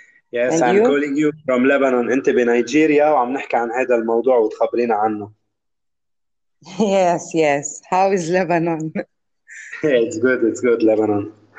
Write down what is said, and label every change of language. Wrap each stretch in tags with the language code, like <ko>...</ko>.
<en>Yes, I'm calling you from Lebanon.</en> <ar>انت بنيجيريا وعم نحكي عن هذا الموضوع وتخبرينا عنه.</ar> <en>Yes, yes. How is Lebanon? It's good, it's good, Lebanon.</en>